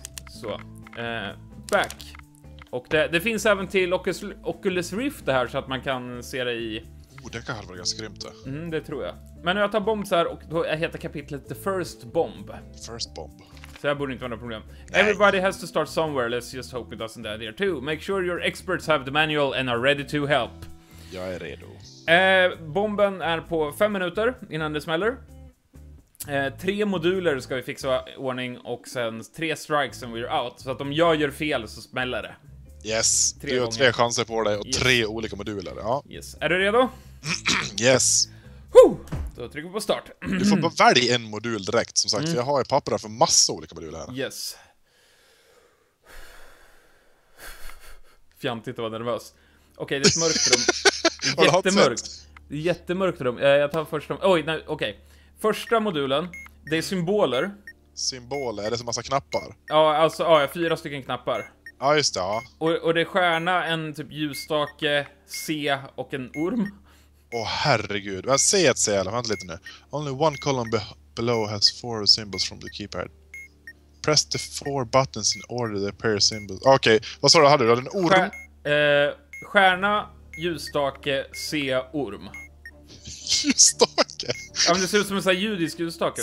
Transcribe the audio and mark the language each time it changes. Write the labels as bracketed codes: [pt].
[sv] Så. Back. Och det finns även till Oculus Rift det här så att man kan se det i. Oh, det kan vara ganska grymt det. Mm, det tror jag. Men jag tar bomb så här och då heter kapitlet The First Bomb. First Bomb. Så här borde inte vara några problem. Nej. [en] Everybody has to start somewhere. Let's just hope it doesn't die there too. Make sure your experts have the manual and are ready to help. [sv] Jag är redo. Bomben är på 5 minuter innan det smäller. 3 moduler ska vi fixa ordning och sen 3 [en] strikes and we're out. [sv] Så att om jag gör fel så smäller det. Yes, du har 3 chanser på dig och 3 olika moduler. Ja. Yes. Är du redo? Yes. Då trycker vi på start. Du får bara välja en modul direkt, som sagt. Mm. För jag har ju papper för massa olika moduler här. Yes. Fjantigt att vara nervös. Okej, det är ett mörkt rum. Jättemörkt. Jättemörkt rum. Jag tar först rum. Oj, nej, okej. Första modulen, det är symboler. Symboler, är det så massa knappar? Ja, alltså, ja, jag har 4 stycken knappar. Ja, just det, ja. Och det är stjärna, en typ ljusstake, C och en orm. Åh, herregud. Jag ser ett C, eller vänta lite nu. [en] Only one column below has 4 symbols from the keypad. Press the 4 buttons in order the pair of symbols. [sv] Okej, vad sa du? Hade du en orm? Stjärna, ljusstake, C, orm. Ljusstake? Ja, men det ser ut som en sån här judisk ljusstake.